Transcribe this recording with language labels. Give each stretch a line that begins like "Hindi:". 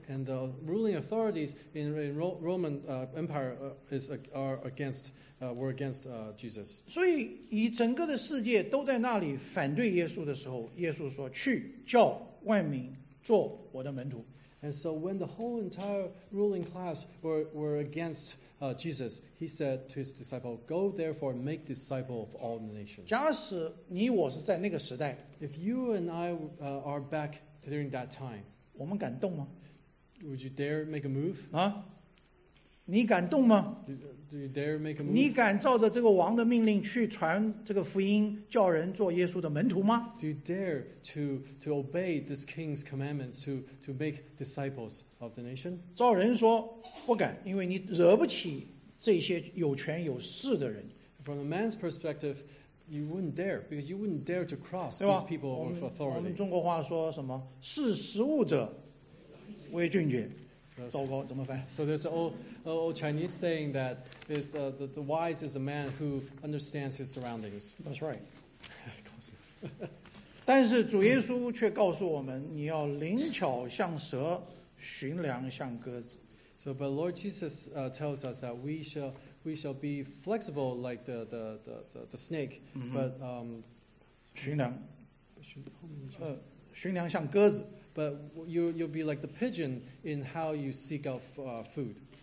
English: And the ruling authorities in Roman Empire were against Jesus.
Chinese: 所以以整个的世界都在那里反对耶稣的时候，耶稣说：“去叫万民做我的门徒。”
English: And so when the whole entire ruling class were against Jesus, he said to his disciple, "Go therefore and make disciples of all the nations."
Chinese: 假使你我是在那个时代
English: ，If you and I are back during that time,
Chinese: 我们敢动吗
English: ？Would you dare make a move?
Chinese: 啊，你敢动吗
English: ？Do you dare make a move?
Chinese: 你敢照着这个王的命令去传这个福音，叫人做耶稣的门徒吗
English: ？Do you dare to obey this king's commandments to make disciples? Of the nation?
Chinese: 照人说不敢，因为你惹不起这些有权有势的人。
English: From a man's perspective, you wouldn't dare because you wouldn't dare to cross these people of authority.
Chinese: 我们中国话说什么？识时务者为俊杰。糟糕，怎么翻
English: ？So there's an old Chinese saying that is the wise is a man who understands his surroundings. That's right.
Chinese: 但是主耶稣却告诉我们，你要灵巧像蛇。寻良像鸽子。
English: So, but Lord Jesus tells us that we shall be flexible like the snake,、mm-hmm. but
Chinese: 寻良，寻良像鸽子。
English: But you'll be like the pigeon in how you seek out food.